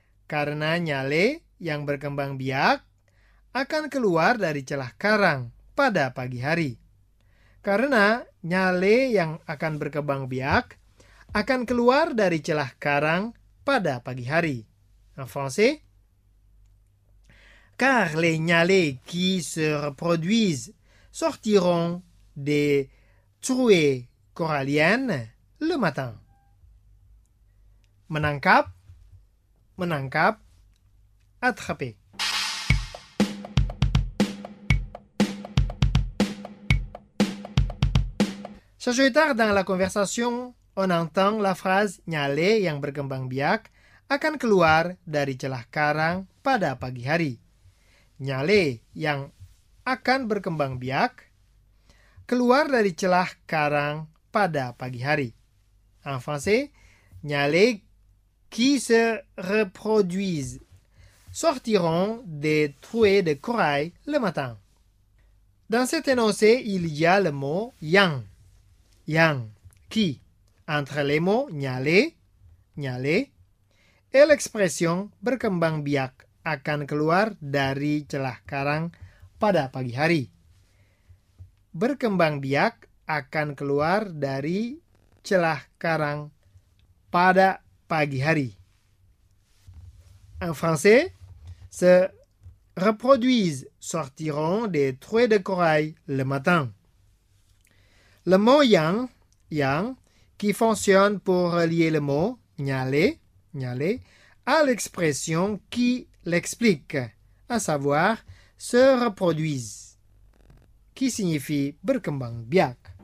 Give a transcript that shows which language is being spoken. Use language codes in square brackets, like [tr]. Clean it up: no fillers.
[id] Karena nyale yang berkembang biak akan keluar dari celah karang pada pagi hari. Karena nyale yang akan berkembang biak akan keluar dari celah karang pada pagi hari. [fr] En français. Car les nyales qui se reproduisent sortiront des trouées corallienne le matin. [id] Menangkap, menangkap, [fr] attraper. Chers auditeurs, dans la conversation, on entend la phrase [id] nyale yang berkembang biak akan keluar dari celah karang pada pagi hari. Nyale yang akan berkembang biak keluar dari celah karang pada pagi hari. [fr] En français, nyale qui se reproduisent sortiront des trouées de corail le matin. Dans cet énoncé, il y a le mot yang. [id] Yang, qui. [fr] Entre les mots [id] nyale, nyale, [fr] et l'expression [id] berkembang biak akan keluar dari celah karang pada pagi hari. Berkembang biak akan keluar dari celah karang pada pagi hari. [fr] En français, se reproduisent sortiront des trouées de corail le matin. Le mot yang, yang, qui fonctionne pour relier le mot nyale, nyale, à l'expression qui l'explique, à savoir se reproduisent, qui signifie [id] berkembang biak.